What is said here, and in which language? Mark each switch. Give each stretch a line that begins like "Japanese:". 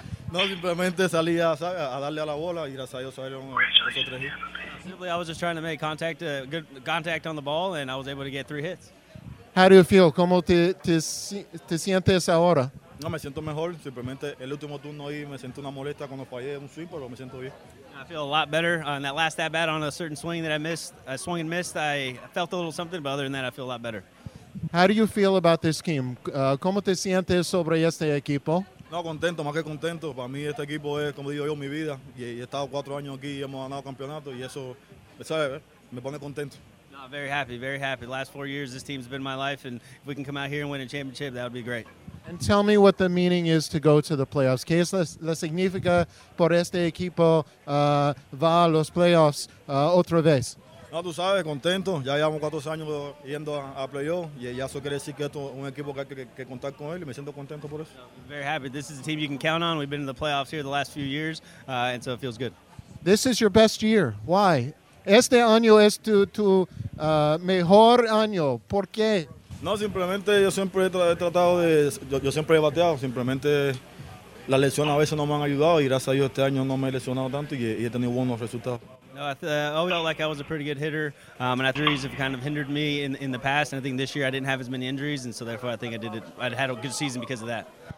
Spanish: No, simplemente salí a darle a la bola y gracias a Dios salieron esos tres hits.
English: Simply, I was just trying to make contact, good contact on the ball, and I was able to get three hits. How do you feel?
Spanish: ¿Cómo te sientes ahora? No, me siento mejor. Simplemente el último turno ahí me siento una molesta cuando fallé un swing, pero me siento bien.
English: I feel a lot better on that last at bat on a certain swing that I missed. I swung and missed. I felt a little something, but other than that, I feel a lot better. How do you feel about this team?
Spanish: ¿Cómo te sientes sobre este equipo? No, contento, más que contento. Para mí este equipo es, como digo yo, mi vida. He estado cuatro años aquí y hemos ganado campeonato y eso, ¿sabes? Me pone contento.
English: No, very happy, very happy. The last 4 years, this team's been my life, and if we can come out here and win a championship, that would be great. And tell me what the meaning is to go to the playoffs.
Spanish: ¿Qué es la significa por este equipo va a los playoffs otra vez? No, tú sabes, contento. Ya llevamos cuatro años yendo a playoffs. Y eso quiere decir que esto es un equipo que hay que contar con él. Y me siento contento por eso.
English: I'm very happy. This is a team you can count on. We've been in the playoffs here the last few years, and so it feels good. This is your best year. Why?
Spanish: Este año es tu mejor año. ¿Por qué? No, simplemente yo siempre he tratado de... Yo siempre he bateado. Simplemente las lesiones a veces no me han ayudado. Y gracias a Dios este año no me he lesionado tanto y he tenido buenos resultados.
English: No, I felt like I was a pretty good hitter, and injuries have kind of hindered me in the past. And I think this year I didn't have as many injuries, and so therefore I think I had a good season because of that.